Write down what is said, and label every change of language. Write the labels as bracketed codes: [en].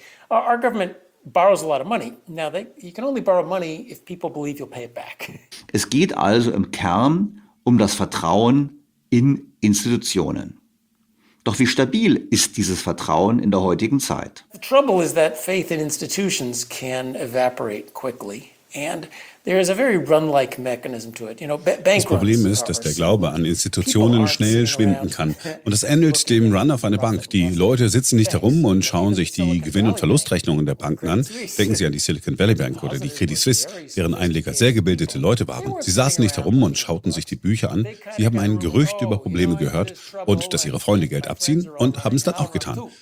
[en] Our government borrows a lot of money. Now you can only borrow money if people believe you'll pay it back. [de] Es geht also im Kern um das Vertrauen in Institutionen. Doch wie stabil ist dieses Vertrauen in der heutigen Zeit? [en] The trouble is that faith in institutions can evaporate quickly. And there is a very run-like mechanism to it. You know, [de] das Problem ist, dass der Glaube an Institutionen schnell schwinden kann. Und das ähnelt dem Run auf eine Bank. Die Leute sitzen nicht herum und schauen sich die Gewinn- und Verlustrechnungen der Banken an. Denken Sie an die Silicon Valley Bank oder die Credit Suisse, deren Einleger sehr gebildete Leute waren. Sie saßen nicht herum und schauten sich die Bücher an. Sie haben ein Gerücht über Probleme gehört und dass ihre Freunde Geld abziehen und haben es dann auch getan.